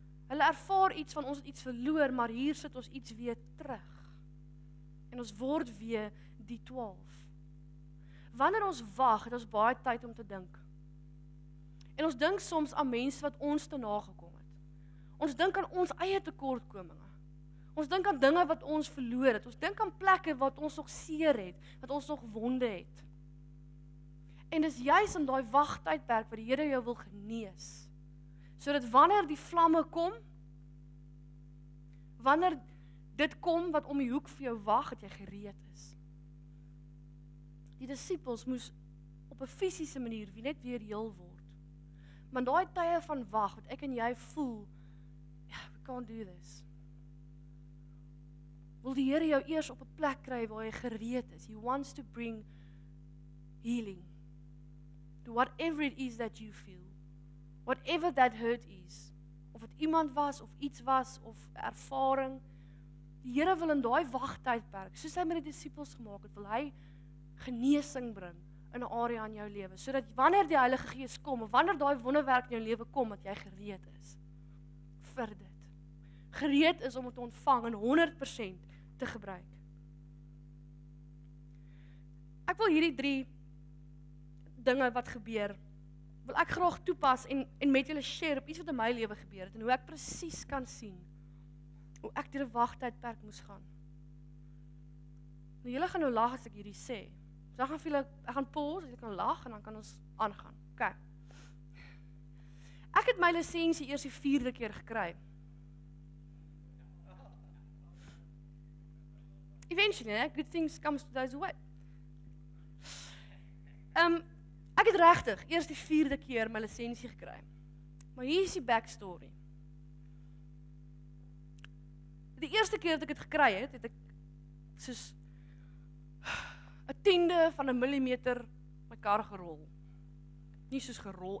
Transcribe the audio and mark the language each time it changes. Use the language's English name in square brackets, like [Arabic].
[Afrikaans] Hulle ervaar iets van ons het iets verloor, maar hier sit ons iets weer terug. En ons word weer die 12. Wanneer ons wag, het ons baie tyd om te dink. En ons dink soms aan mense wat ons te na gekom het. Ons dink aan ons eie tekortkominge. Ons dink aan dinge wat ons verloor het. Ons dink aan plekke wat ons nog seer het, wat ons nog wonde het. En dis juis in daai wagtydperk waar die Here jou wil genees. Sodat wanneer die vlamme kom, wanneer dit kom wat om die hoek vir jou wag, dat jy gereed is. Die disippels moes op 'n fisiese manier net weer heel word. Maar daai tye van wag wat ek en jy voel, [English] we can't do this. [Afrikaans] Wil die Here jou eers op 'n plek kry waar jy gereed is. [English] He wants to bring healing to whatever it is that you feel. Whatever that hurt is, [Afrikaans] of het iemand was, of iets was, of ervaring, die Here wil in daai wagtydperk, soos hy met die disippels gemaak het, wil hy genesing bring in 'n area in jou lewe, sodat wanneer die Heilige Gees kom, of wanneer daai wonderwerk in jou lewe kom, dat jy gereed is vir dit. Gereed is om dit te ontvang en 100% te gebruik. Ek wil hierdie drie dinge wat gebeur, wil ek graag toepas en met julle share op iets wat in my lewe gebeur het en hoe ek presies kan sien hoe ek deur 'n wagtydperk moes gaan. Nou julle gaan nou lag as ek hierdie sê. So ek gaan pause, ek kan lag en dan kan ons aangaan. OK. Ek het my lisensie eers die 4de keer gekry. [English] Eventually, good things comes to those who wait. [Afrikaans] Ek het regtig eers die 4de keer my lisensie gekry. Maar hier is die backstory. Die eerste keer dat ek het gekry het, het ek soos 'n 10de van 'n millimeter my kar gerol. Nie soos gerol.